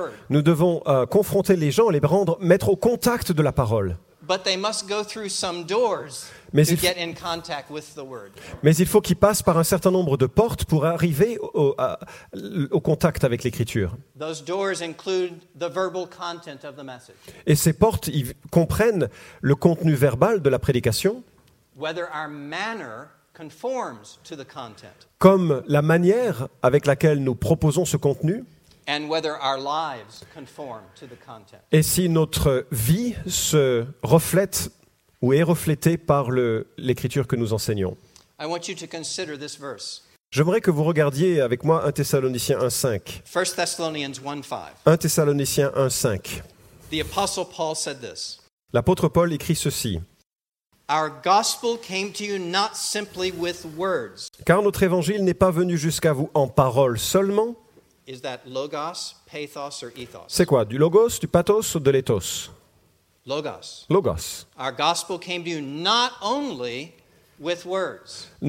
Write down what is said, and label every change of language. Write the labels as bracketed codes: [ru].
[fr] Nous devons confronter les gens, les rendre, mettre au contact de la parole. [en] But they must go through some doors to get in contact with the word. [fr] Mais il faut qu'ils passent par un certain nombre de portes pour arriver au contact avec l'écriture. [en] Those doors include the verbal content of the message. [fr] Et ces portes comprennent le contenu verbal de la prédication. [en] Whether our manner conforms to the content. [fr] Comme la manière avec laquelle nous proposons ce contenu. [en] and whether our lives conform to the content. [fr] Et si notre vie se reflète ou est reflétée par l'écriture que nous enseignons. [en] I want you to consider this verse. [fr] J'aimerais que vous regardiez avec moi 1 Thessaloniciens 1:5. [en] 1 Thessalonians 1:5. [fr] 1 Thessaloniciens 1:5. [en] The apostle Paul said this. [fr] L'apôtre Paul écrit ceci. [en] Our gospel came to you not simply with words. [fr] Car notre évangile n'est pas venu jusqu'à vous en paroles seulement. [en] Is that logos, pathos or ethos? [fr] C'est quoi, du logos, du pathos ou de l'ethos? [en] Logos. [fr] Logos. [en] Our gospel came to you not only with words.